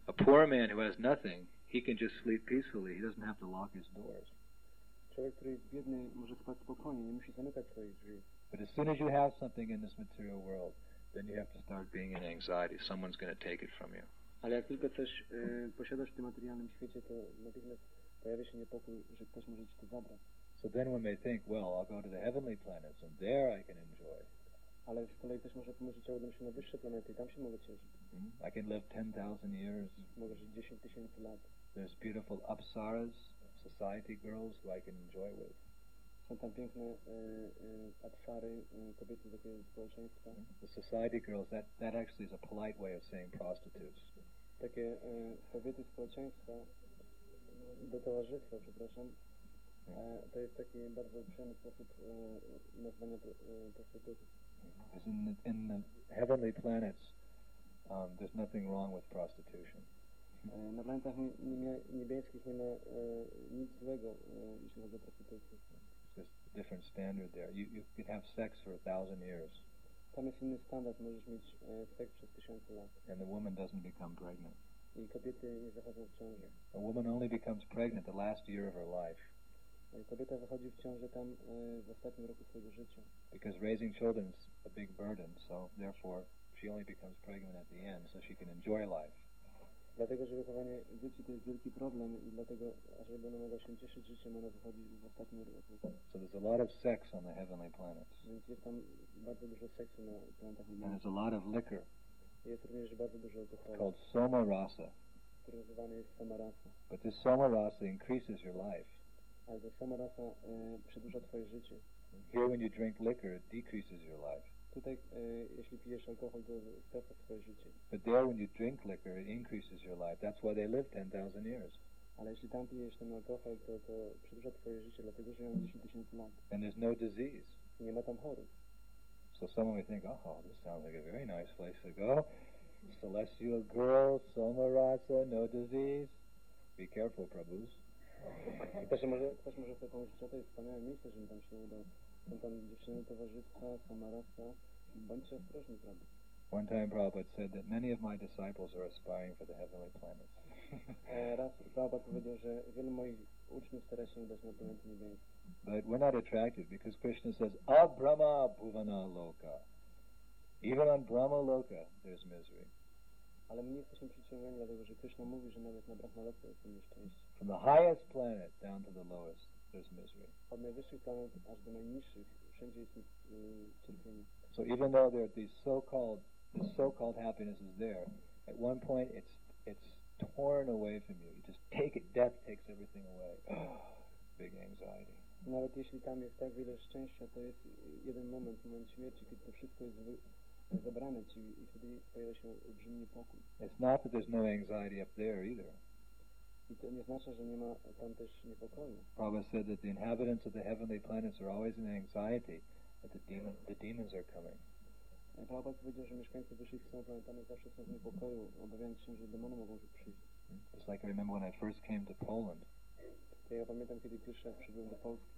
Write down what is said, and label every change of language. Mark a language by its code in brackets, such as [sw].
[en] A poor man who has nothing, he can just sleep peacefully. He doesn't have to lock his doors. [pl] Człowiek, który jest biedny, może spać spokojnie, nie musi zamykać swoich drzwi. [en] But as soon as you have something in this material world, then you have to start being in anxiety. Someone's going to take it from you. [pl] Ale jak tylko coś posiadasz w tym materialnym świecie, to natychmiast pojawia się niepokój, że ktoś może ci to zabrać. [en] So then one may think, well, I'll go to the heavenly planets and there I can enjoj. [pl] Ale z kolei też może pomyśleć, że udam się na wyższe planety i tam się mogę cieszyć. [en] I can live 10,000 years. [pl] Mogę żyć 10 tysięcy lat. [en] There's beautiful apsaras, society girls who I can enjoy with. [pl] Są tam piękne apsary, kobiety takie społeczeństwa. [en] The society girls, that actually is a polite way of saying prostitutes. [pl] Takie kobiety społeczeństwa, do towarzystwa, przepraszam. To jest taki bardzo przyjemny sposób nazwania prostytutów. [en] Because in the heavenly planets, there's nothing wrong with prostitution. [pl] Na planetach niebieskich nie ma nic złego, jeśli chodzi o prostytucję. [en] Just different standard there. You could have sex for 1,000 years. [pl] Tam jest inny standard, możesz mieć seks przez 1,000 lat. [en] And the woman doesn't become pregnant. [pl] I kobiety nie zachodzą w ciąży. [en] A woman only becomes pregnant the last year of her life. [pl] Kobieta wychodzi w ciąży tam w ostatnim roku swojego życia. [en] Because raising children is a big burden, so therefore she only becomes pregnant at the end, so she can enjoy life. [pl] Dlatego, że wychowanie dzieci to jest wielki problem i dlatego, ażeby ona mogła się cieszyć życiem, ona wychodzi w ostatnim roku. [en] So there's a lot of sex on the heavenly planets. [pl] Więc jest tam bardzo dużo seksu na planetach. [en] And there's a lot of liquor. [pl] Jest również bardzo dużo alkoholu. [en] It's called soma rasa. [pl] Który nazywany jest soma rasa. [en] But this soma rasa increases your life. [pl] Ale ta sama rasa przedłuża twoje życie. [en] Here when you drink liquor, it decreases your life. [pl] Tutaj, jeśli pijesz alkohol, to skraca twoje życie. [en] But there when you drink liquor, it increases your life. That's why they live 10,000 years. [pl] Ale jeśli tam pijesz ten alkohol, to przedłuża twoje życie, dlatego żyją 10 tysięcy lat. [en] And there's no disease. [pl] I nie ma tam chorób. [en] So someone may think, oh, this sounds like a very nice place to go. Celestial girl, soma rasa, no disease. Be careful, Prabhus. [pl] Ktoś może sobie pomyśleć, że to jest wspaniałe miejsce, żebym tam się udał. Są tam dziewczyny towarzystwa, sama rasa. Bądźcie ostrożni, prawda? [en] One time Prabhupada said that many of my disciples are aspiring for the heavenly planets. [pl] Raz Prabhupada powiedział, że wielu moich uczniów stara się udać na planety niebieskie. [en] But we're not attracted because Krishna says, Abrahma Bhuvana Loka. Even on Brahma Loka there's misery. [pl] Ale my nie jesteśmy przyciągani, dlatego że Krishna mówi, że nawet na Brahmaloku jest nieszczęście. [en] From the highest planet down to the lowest, there's misery. [pl] Od najwyższych planet aż do najniższych, wszędzie jest cierpienie. [en] So even though there are these so-called happiness is there, at one point it's torn away from you. You just take it. Death takes everything away. Big anxiety. [pl] Nawet jeśli tam jest tak wiele szczęścia, to jest jeden moment śmierci, kiedy to wszystko jest zabrane ci i wtedy pojawia się olbrzymi niepokój. [en] It's not that there's no anxiety up there either. [pl] I to nie znaczy, że nie ma tam też niepokoju. [en] Prabhupada said that the inhabitants of the heavenly planets are always in anxiety that the demons are coming. [pl] Prabhupada powiedział, że mieszkańcy wyższych stron planetarny zawsze są w niepokoju, obawiając się, że demony mogą tu przyjść. [en] Just like I remember when I first came to Poland. [pl] Ja pamiętam, kiedy pierwszy raz przybyłem do Polski.